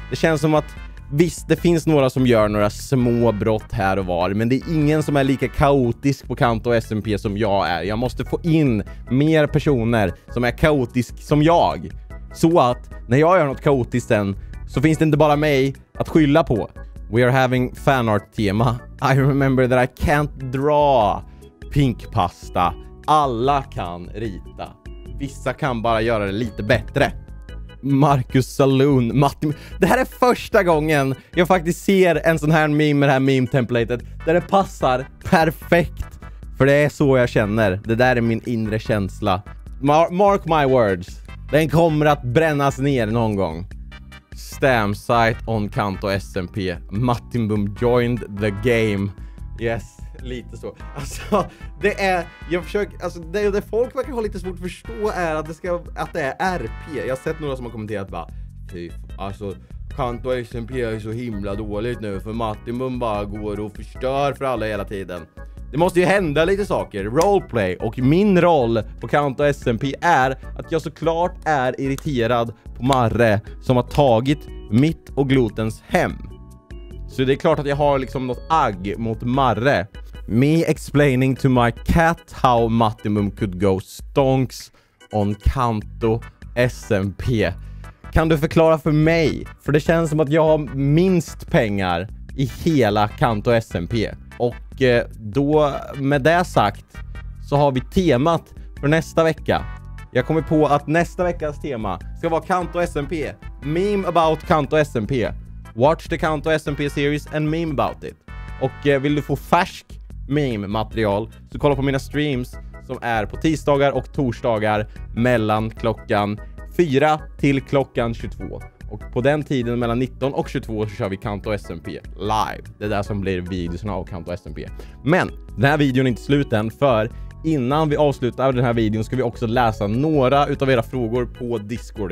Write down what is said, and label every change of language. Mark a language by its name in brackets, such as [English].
[Swedish] Det känns som att visst, det finns några som gör några små brott här och var. Men det är ingen som är lika kaotisk på Kanto och SMP som jag är. Jag måste få in mer personer som är kaotisk som jag. Så att när jag gör något kaotiskt sen, så finns det inte bara mig att skylla på. [English] We are having fanart tema. I remember that I can't draw pink pasta. [Swedish] Alla kan rita. Vissa kan bara göra det lite bättre. Marcus Saloon, Matti. Det här är första gången jag faktiskt ser en sån här meme med det här meme-templatet. Där det passar perfekt. För det är så jag känner. Det där är min inre känsla. [English] Mark my words. [Swedish] Den kommer att brännas ner någon gång. [English] Stamsite on Kanto SMP. Matti Boom joined the game. [Swedish] Yes, lite så. Alltså, det är, jag försöker, alltså det folk verkar ha lite svårt att förstå är att det är RP. Jag har sett några som har kommenterat bara, typ, alltså Kanto SMP är så himla dåligt nu för Matti Mumba går och förstör för alla hela tiden. Det måste ju hända lite saker, roleplay. Och min roll på Count och SMP är att jag såklart är irriterad på Marre som har tagit mitt och Glutens hem. Så det är klart att jag har liksom något agg mot Marre. [English] Me explaining to my cat how Matimum could go stonks on Kanto SMP. [Swedish] Kan du förklara för mig? För det känns som att jag har minst pengar i hela Kanto SMP. Och då med det sagt så har vi temat för nästa vecka. Jag kommer på att nästa veckas tema ska vara Kanto SMP. [English] Meme about Kanto SMP. Watch the Kanto SMP series and meme about it. [Swedish] Och vill du få färsk meme-material så kolla på mina streams som är på tisdagar och torsdagar mellan klockan 4 till klockan 22. Och på den tiden mellan 19 och 22 så kör vi Kanto SMP live. Det är där som blir videorna av Kanto SMP. Men den här videon är inte slut än, för innan vi avslutar den här videon ska vi också läsa några utav era frågor på Discord.